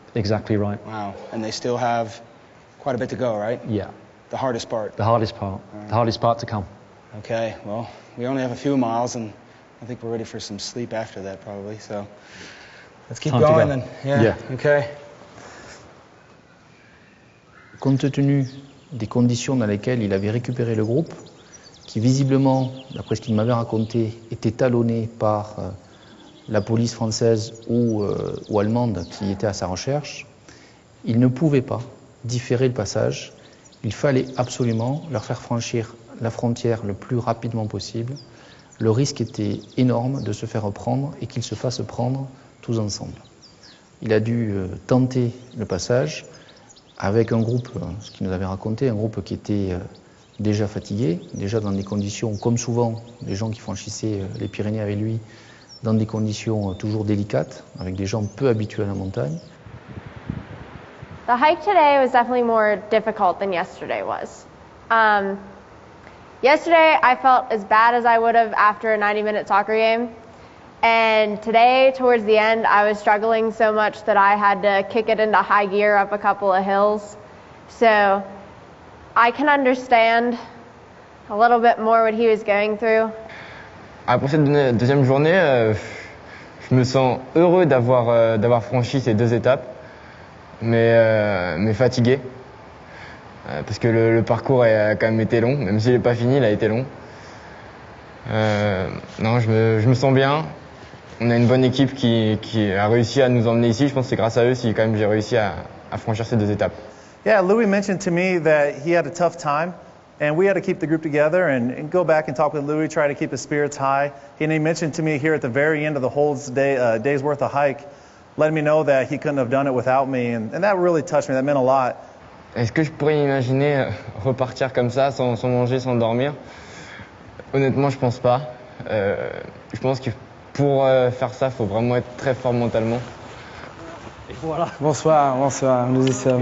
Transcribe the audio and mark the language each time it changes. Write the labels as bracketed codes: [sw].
[en] Exactly right. Wow, and they still have quite a bit to go, right? Yeah. The hardest part. The hardest part. Right. The hardest part to come. Okay, well, we only have a few miles and I think we're ready for some sleep after that probably, so let's keep time going to go. Then. Yeah. Okay. [fr] Compte tenu des conditions dans lesquelles il avait récupéré le groupe, qui visiblement, d'après ce qu'il m'avait raconté, était talonné par la police française ou allemande qui était à sa recherche, il ne pouvait pas différer le passage. Il fallait absolument leur faire franchir la frontière le plus rapidement possible. Le risque était énorme de se faire prendre et qu'ils se fassent prendre tous ensemble. Il a dû tenter le passage avec un groupe, ce qu'il nous avait raconté, un groupe qui était déjà fatigué, déjà dans des conditions, comme souvent les gens qui franchissaient les Pyrénées avec lui, dans des conditions toujours délicates, avec des gens peu habitués à la montagne. [en] The hike today was definitely more difficult than yesterday was. Yesterday I felt as bad as I would have after a 90-minute soccer game. And today, towards the end, I was struggling so much that I had to kick it into high gear up a couple of hills. So I can understand a little bit more what he was going through. [fr] Après cette deuxième journée, je me sens heureux d'avoir franchi ces deux étapes, mais fatigué. Parce que le parcours a quand même été long, même s'il n'est pas fini, il a été long. Non, je me sens bien. On a une bonne équipe qui a réussi à nous emmener ici. Je pense que c'est grâce à eux si quand même j'ai réussi à franchir ces deux étapes. [en] Yeah, Louis mentioned to me that he had a tough time and we had to keep the group together and go back and talk with Louis, try to keep his spirits high. And he mentioned to me here at the very end of the whole day's worth of hike, letting me know that he couldn't have done it without me. And that really touched me. That meant a lot. [fr] Est-ce que je pourrais imaginer repartir comme ça, sans manger, sans dormir? Honnêtement, je pense pas. Je pense que pour faire ça, il faut vraiment être très fort mentalement. Voilà. Bonsoir, nous y sommes.